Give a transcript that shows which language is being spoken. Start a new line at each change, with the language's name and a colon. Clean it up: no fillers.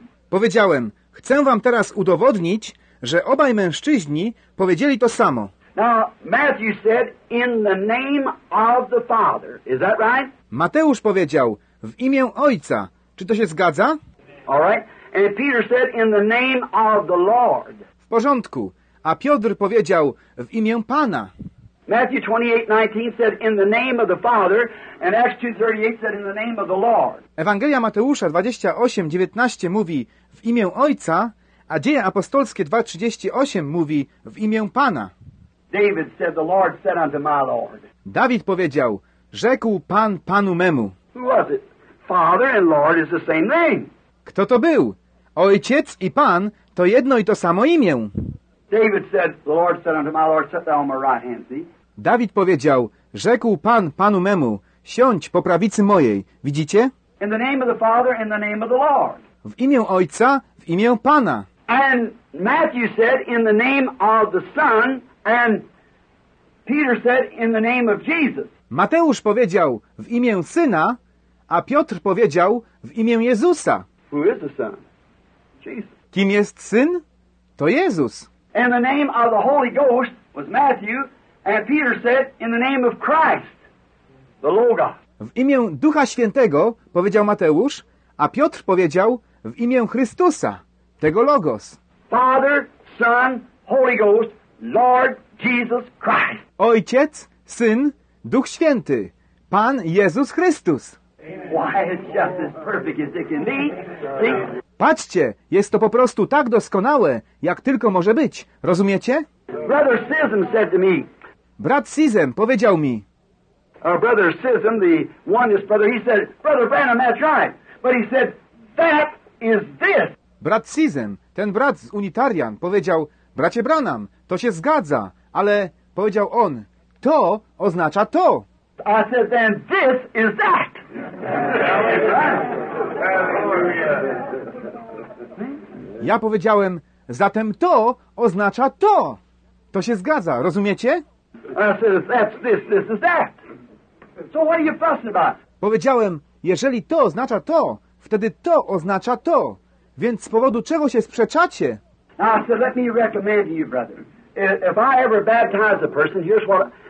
Polish: Powiedziałem, chcę wam teraz udowodnić, że obaj mężczyźni powiedzieli to samo.
English: Now, Matthew said, in the name of the Father. Is that right?
Polish: Mateusz powiedział, w imię Ojca. Czy to się zgadza?
English: All right. And Peter said, in the name of the Lord.
Polish: W porządku. A Piotr powiedział, w imię Pana.
English: Matthew 28:19 said, in the name of the Father. And Acts 2:38 said, in the name of the Lord.
Polish: Ewangelia Mateusza 28:19 mówi, w imię Ojca, a Dzieje Apostolskie 2:38 mówi, w imię Pana.
English: David said, the Lord said unto my Lord.
Polish: Dawid powiedział, rzekł Pan Panu memu.
English: Who was it? Father and Lord is the same name.
Polish: Kto to był? Ojciec i Pan to jedno i to samo imię.
English: David said, the Lord said unto my Lord, set thou on my right hand, see?
Polish: Dawid powiedział, rzekł Pan Panu memu, Siądź po prawicy mojej. Widzicie?
English: In the name of the Father, in the name of the Lord.
Polish: W imię Ojca, w imię Pana.
English: And Matthew said, in the name of the Son, and Peter said, in the name of Jesus.
Polish: Mateusz powiedział, w imię Syna, a Piotr powiedział, w imię Jezusa.
English: Who is the Son? Jesus.
Polish: Kim jest Syn? To Jezus.
English: And the name of the Holy Ghost was Matthew, and Peter said, in the name of Christ, the Logos.
Polish: W imię Ducha Świętego powiedział Mateusz, a Piotr powiedział, w imię Chrystusa, tego Logos.
English: Father, Son, Holy Ghost, Lord Jesus Christ.
Polish: Ojciec, Syn, Duch Święty, Pan Jezus Chrystus.
English: Why, it's just as perfect as it can be. See?
Polish: Patrzcie, jest to po prostu tak doskonałe, jak tylko może być. Rozumiecie?
English: Brother Sism said to me,
Polish: brat Sism powiedział mi,
English: Brother Sism, the oneness brother, he said, Brother Branham, that's right. But he said, that is this.
Polish: Brat Sism, ten brat z Unitarian, powiedział, bracie Branham, to się zgadza, ale powiedział on, to oznacza to.
English: I said, then this is that.
Polish: Ja powiedziałem, zatem to oznacza to. To się zgadza, rozumiecie?
English: I said, that's this, this is that. So what are you fussing about?
Polish: Powiedziałem, jeżeli to oznacza to, wtedy to oznacza to. Więc z powodu czego się sprzeczacie?
English: Now, so let me recommend to you, brother. If I ever baptize a person, here's what...